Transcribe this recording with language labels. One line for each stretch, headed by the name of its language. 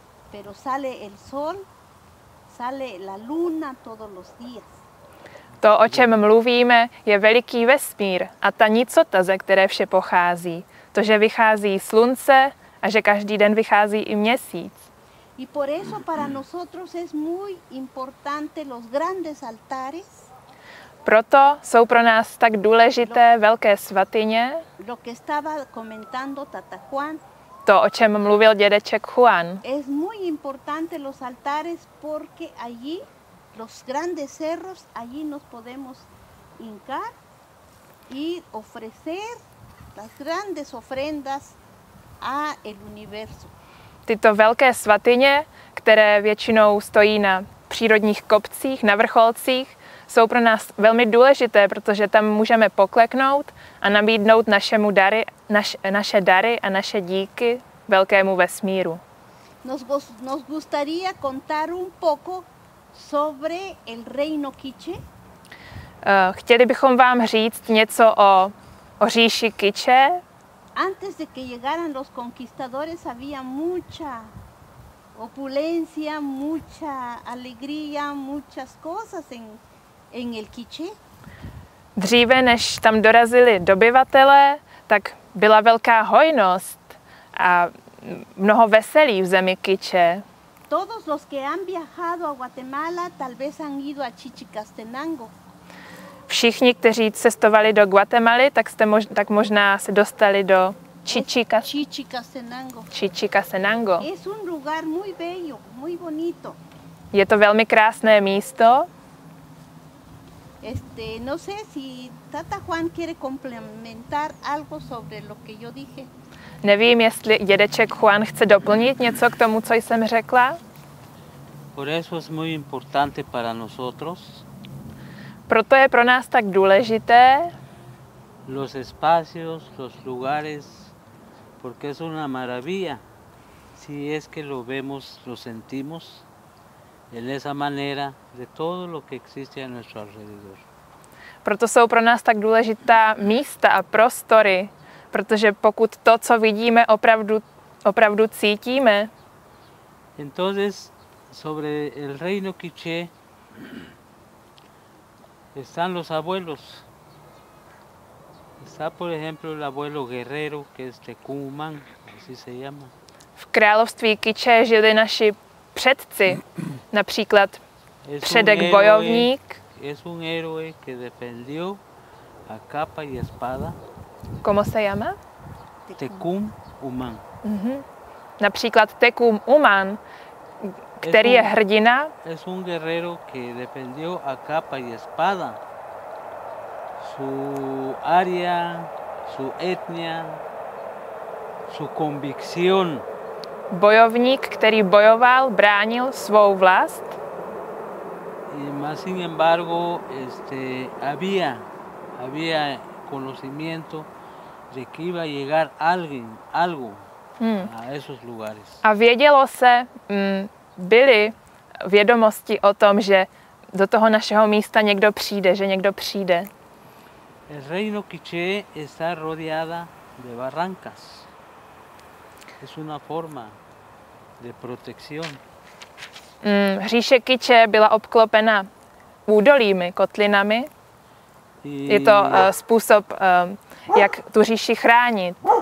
Spanish: Pero sale el sol, sale la luna todos los días.
Czech: To, o čem mluvíme, je veliký vesmír a ta nicota, ze které vše pochází. To, že vychází slunce a že každý den vychází i měsíc.
Spanish: Y por eso para nosotros es muy importante los grandes altares.
Czech: Proto jsou pro nás tak důležité velké svatyně.
Spanish: Lo que estaba comentando Tata Juan.
Czech: To, o čem mluvil dědeček Juan.
Spanish: Es muy importante los altares porque allí los grandes cerros, allí nos podemos hincar y ofrecer las grandes ofrendas a el universo.
Czech: Tyto velké svatyně, které většinou stojí na přírodních kopcích, na vrcholcích, jsou pro nás velmi důležité, protože tam můžeme pokleknout a nabídnout našemu dary, naše dary a naše díky velkému vesmíru.
Spanish: Nos gustaría contar un poco sobre el reino Quiche.
Czech: Chtěli bychom vám říct něco o říši Quiche.
Spanish: Antes de que llegaran los conquistadores había mucha opulencia, mucha alegría, muchas cosas en el Quiche.
Czech: Dříve než tam dorazili dobyvatelé, tak byla velká hojnost a mnoho veselí v zemi Quiche.
Spanish: Todos los que han viajado a Guatemala tal vez han ido a Chichicastenango.
Czech: Všichni, kteří cestovali do Guatemaly, tak možná se dostali do Chichicastenango. Chichicastenango.
Spanish: Es un lugar muy bello, muy bonito.
Czech: Je to velmi krásné místo.
Spanish: No sé si Tata Juan quiere complementar algo sobre lo que yo dije.
Czech: Nevím, jestli dědeček Juan chce doplnit něco k tomu, co jsem řekla.
Spanish: Por eso es muy importante para nosotros.
Czech: Proto je pro nás tak důležité.
Spanish: Los espacios, los lugares, porque es una maravilla. Si es que lo vemos, lo sentimos en esa manera de todo lo que existe a nuestro alrededor.
Czech: Proto jsou pro nás tak důležitá místa a prostory, protože pokud to, co vidíme, opravdu cítíme.
Spanish: Entonces sobre el reino Quiché están los abuelos. Está por ejemplo el abuelo guerrero, que es Tecumán, así se llama.
Czech: V království Quiché žili naši předci, například předek bojovník.
Spanish: Es un héroe que defendió a capa y espada. ¿Cómo se llama? Tecumán.
Czech: Například Tecumán, který je hrdina.
Spanish: Es un guerrero que defendió a capa y espada su área, su etnia, su convicción.
Czech: Bojovník, který bojoval, bránil svou vlast.
Spanish: Y más sin embargo, había conocimiento de que iba a llegar alguien, algo a esos lugares.
Czech: A vědělo se, byly vědomosti o tom, že do toho našeho místa někdo přijde, že někdo přijde.
Spanish: El reino quiché está rodeada de barrancas. Es una forma de protección.
Czech: Hříše Quiché byla obklopena údolími, kotlinami. Je to způsob, jak tu říši chránit.